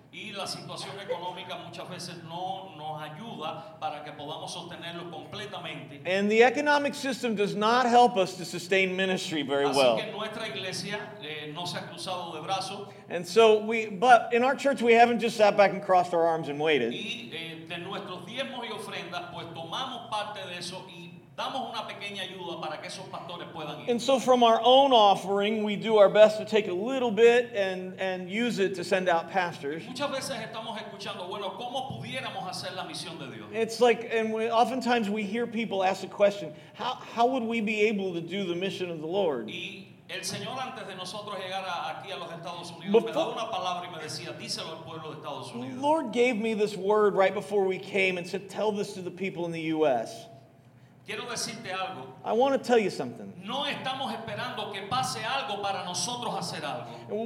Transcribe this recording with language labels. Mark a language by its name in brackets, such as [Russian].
[Spanish] Y la situación económica muchas veces no nos ayuda para que podamos sostenerlo completamente. [English] And the economic system does not help us to sustain ministry very well. [Spanish] Así que nuestra iglesia no se ha cruzado de brazos. [English] And so but in our church we haven't just sat back and crossed our arms and waited. [Spanish] Y de nuestros diezmos y ofrendas pues tomamos parte de eso y damos una pequeña ayuda para que esos pastores puedan ir. [English] And so from our own offering, we do our best to take a little bit and use it to send out pastors. [Spanish] Muchas veces estamos escuchando, bueno, ¿cómo pudiéramos hacer la misión de Dios? [English] It's like, and we, oftentimes we hear people ask the question, how would we be able to do the mission of the Lord? [Spanish] Y el Señor antes de nosotros llegar aquí a los Estados Unidos me daba una palabra y me decía, díselo al pueblo de Estados Unidos. [English] The Lord gave me this word right before we came and said, tell this to the people in the U.S. [Spanish] Quiero decirte algo. [English] I want to tell you something. [Spanish] No estamos esperando que pase algo para nosotros hacer algo.